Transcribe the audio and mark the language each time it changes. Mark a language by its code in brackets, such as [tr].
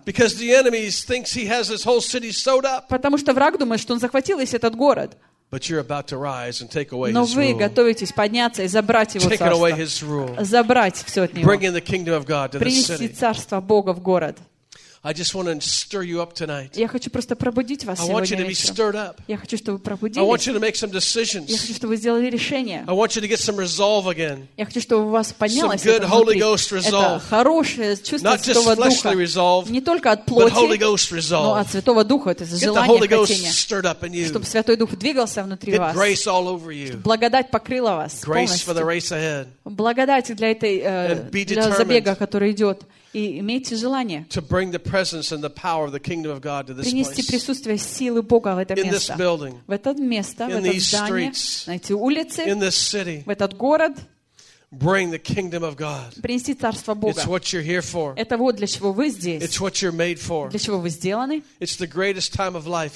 [en] Because the enemy thinks he has this whole city sewed up. [ru] Потому что враг думает, что он захватил весь этот город. [en] But you're about to rise and take away [ru] но [en] his rule. [ru] Но вы готовитесь подняться и забрать его [en] taking [ru] царство. [en] Away his rule. [ru] Забрать все от него. [en] Bring in the kingdom of God to [ru] принеси [en] the city. [ru] Принеси царство Бога в город. [en] I just want to stir you up tonight. [ru] Я хочу просто пробудить вас сегодня. [en] I want you to be stirred up. [ru] Я хочу, чтобы вы пробудились. [en] I want you to make some decisions. [ru] Я хочу, чтобы вы сделали решение. [en] I want you to get some resolve again. [ru] Я хочу, чтобы у вас поднялось это внутри. [en] Some good Holy Ghost resolve. [ru] Это хорошее чувство [en] Not just [ru] Святого [en] fleshly [ru] Духа. [en] Resolve, [ru] не только от плоти, [en] but Holy Ghost resolve. [ru] Но от Святого Духа, это желание, [en] get the Holy Ghost stirred up in you. [ru] Чтобы Святой Дух двигался внутри [en] get [ru] вас. [en] Grace all over you. [ru] Чтобы благодать покрыла вас [en] grace [ru] полностью. [en] For the race ahead. [ru] Благодать для этой для забега, который идет. И имейте желание [en] to bring the presence and the power of the kingdom of God to this place. [ru] Принести присутствие силы Бога в это место. [en] In this building. [ru] В это место, [en] in [ru] в это здание, [en] streets, [ru] на эти улицы. [en] In this city. [ru] В этот город. [en] Bring the kingdom of God. [ru] Принести царство Бога. [en] It's what you're here for. [ru] Это вот для чего вы здесь. [en] It's what you're made for. [ru] Для чего вы сделаны. [en] It's the greatest time of life.